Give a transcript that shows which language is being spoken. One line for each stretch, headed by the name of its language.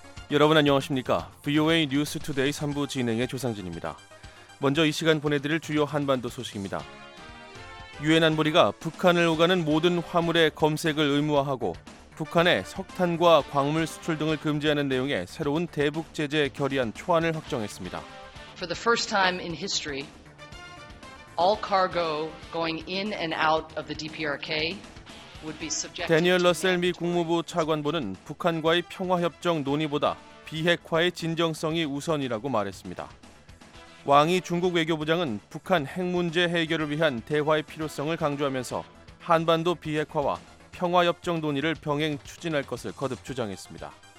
Korean: 여러분 안녕하십니까? VOA News Today 3부 진행의 조상진입니다. 먼저 이 시간 보내드릴 주요 한반도 소식입니다. 유엔 안보리가 북한을 오가는 모든 화물의 검색을 의무화하고 북한의 석탄과 광물 수출 등을 금지하는 내용의 새로운 대북 제재 결의안 초안을 확정했습니다.
English: For the first time in history, all cargo going in and out of the DPRK would be subjected.
Korean: 대니얼 러셀 미 국무부 차관보는 북한과의 평화협정 논의보다 비핵화의 진정성이 우선이라고 말했습니다. 왕이 중국 외교부장은 북한 핵 문제 해결을 위한 대화의 필요성을 강조하면서 한반도 비핵화와 평화협정 논의를 병행 추진할 것을 거듭 주장했습니다.